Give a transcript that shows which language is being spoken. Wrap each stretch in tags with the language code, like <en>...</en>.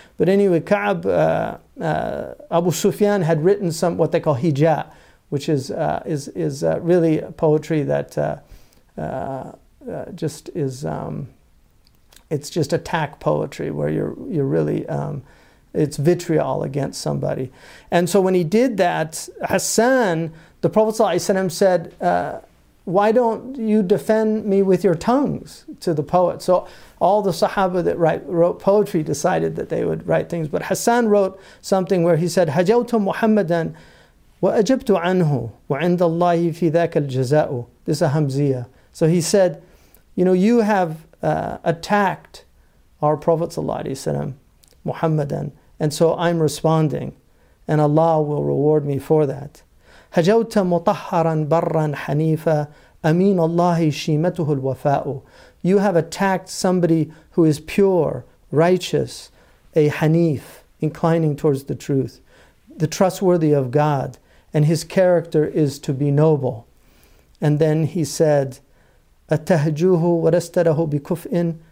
<en>But anyway, Ka'b, Abu Sufyan had written some what they call hija, which is really poetry that just is it's just attack poetry where you're really it's vitriol against somebody. And so when he did that, Hassan, the Prophet ﷺ said, why don't you defend me with your tongues to the poet? So all the Sahaba that wrote poetry decided that they would write things. But Hassan wrote something where he said,</en> <ar>هَجَوْتُ مُحَمَّدًا وَأَجَبْتُ عَنْهُ وَعِنْدَ اللَّهِ فِي ذَاكَ الْجَزَاءُ.</ar> <en>This is a Hamziya. So he said, you know, you have attacked our Prophet ﷺ, Muhammadan, and so I'm responding, and Allah will reward me for that.</en> <ar>هجوت مطهرا برا حنيفا أمين الله شيمته الوفاء.</ar> <en>You have attacked somebody who is pure, righteous, a hanif, inclining towards the truth, the trustworthy of God, and his character is to be noble. And then he said,</en> <ar>أتهجوه ورستره بكفء.</ar>